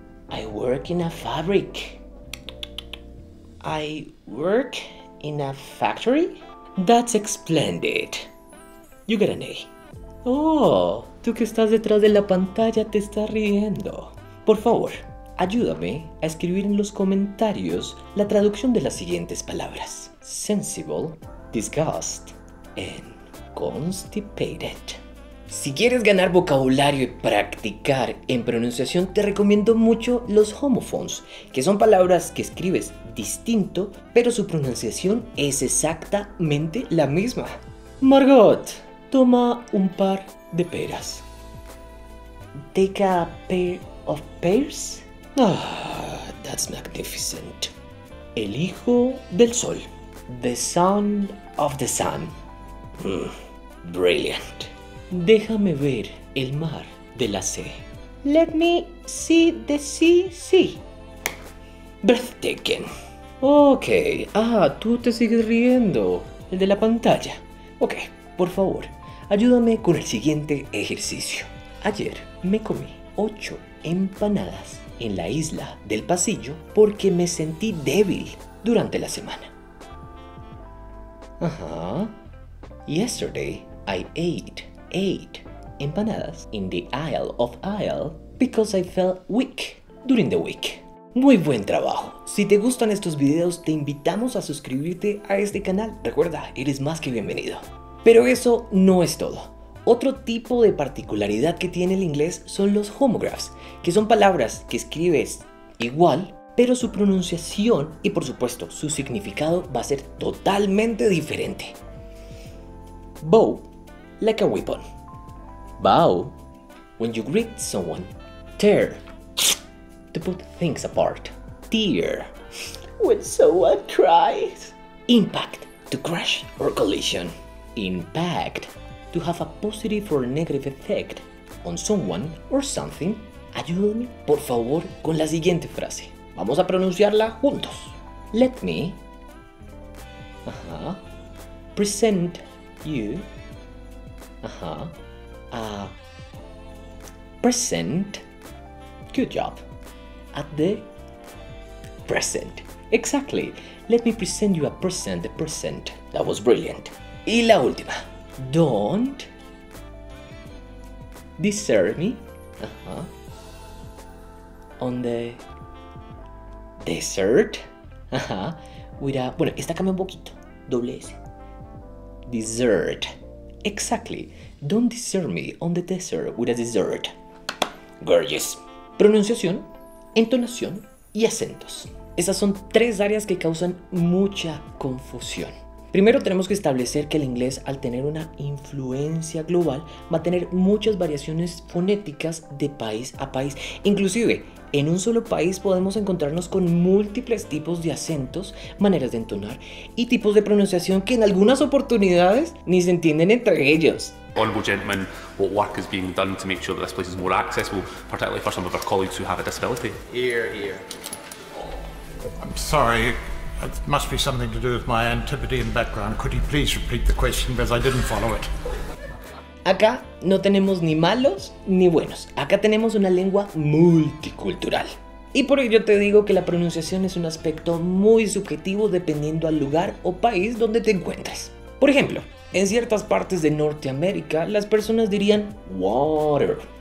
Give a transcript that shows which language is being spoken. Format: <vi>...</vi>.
<en>I work in a fabric. I work in a factory? That's splendid. You get an A.</en> <es>Oh, tú que estás detrás de la pantalla te estás riendo. Por favor, ayúdame a escribir en los comentarios la traducción de las siguientes palabras.</es> <en>Sensible, disgust, and constipated.</en> <es>Si quieres ganar vocabulario y practicar en pronunciación, te recomiendo mucho los homophones, que son palabras que escribes distinto, pero su pronunciación es exactamente la misma. Margot, toma un par de peras.</es> <en>Take a pair of pears? Ah, that's magnificent.</en> <es>El hijo del sol.</es> <en>The son of the sun.</en> <es>Brilliant. Déjame ver el mar de la C.</es> <en>Let me see the sea.</en> <es>Breathtaking. Okay. Ah, tú te sigues riendo. El de la pantalla. Okay, por favor, ayúdame con el siguiente ejercicio. Ayer me comí 8 empanadas en la isla del pasillo porque me sentí débil durante la semana. Ajá.</es> <en>Yesterday I ate 8 empanadas in the Isle of Isle because I felt weak during the week.</en> <es>Muy buen trabajo. Si te gustan estos videos, te invitamos a suscribirte a este canal. Recuerda, eres más que bienvenido. Pero eso no es todo. Otro tipo de particularidad que tiene el inglés son los homographs, que son palabras que escribes igual, pero su pronunciación y, por supuesto, su significado va a ser totalmente diferente.</es> <en>Bow, like a weapon. Bow, when you greet someone. Tear, to put things apart. Tear, when someone cries. Impact, to crash or collision. Impact, to have a positive or negative effect on someone or something.</en> <es>Ayúdame, por favor, con la siguiente frase. Vamos a pronunciarla juntos.</es> <en>Let me present you present. Good job. At the present. Exactly. Let me present you a present. The present. That was brilliant.</en> <es>Y la última.</es> <en>Don't desert me on the desert with a,</en> <es>bueno, esta cambia un poquito, doble S.</es> <en>Desert. Exactly. Don't desert me on the desert with a desert. Gorgeous.</en> <es>Pronunciación, entonación y acentos. Esas son tres áreas que causan mucha confusión. Primero, tenemos que establecer que el inglés, al tener una influencia global, va a tener muchas variaciones fonéticas de país a país. Inclusive, en un solo país podemos encontrarnos con múltiples tipos de acentos, maneras de entonar y tipos de pronunciación que en algunas oportunidades ni se entienden entre ellos.</es> <en>Honorable gentlemen, what work is being done to make sure that this place is more accessible, particularly for some of our colleagues who have a disability? Here, here. I'm sorry. It must be something to do with my Antipodean background. Could you please repeat the question because I didn't follow it?</en> <es>Acá no tenemos ni malos ni buenos. Acá tenemos una lengua multicultural. Y por ello te digo que la pronunciación es un aspecto muy subjetivo dependiendo al lugar o país donde te encuentres. Por ejemplo, en ciertas partes de Norteamérica las personas dirían water.</es>